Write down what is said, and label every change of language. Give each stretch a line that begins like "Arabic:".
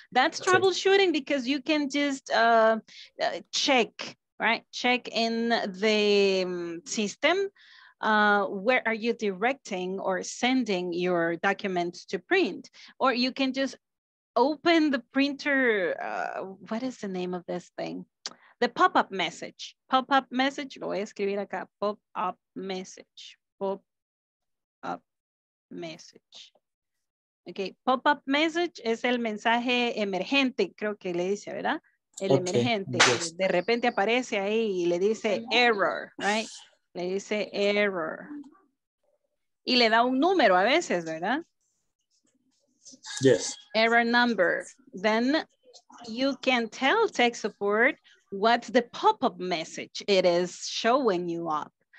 English: That's troubleshooting because you can just check, right? Check in the system where are you directing or sending your documents to print, or you can just open the printer. What is the name of this thing? The pop-up message.
Spanish: Pop-up message, lo voy a escribir acá. Pop-up message. Pop-up message. Okay, pop-up message es el mensaje emergente, creo que le dice, ¿verdad? El emergente. Yes. De repente aparece ahí y le dice error, right? Le dice error. Y le da un número a veces, ¿verdad?
English: Yes. Error number. Then you can tell tech support what's the pop-up message it is showing you up.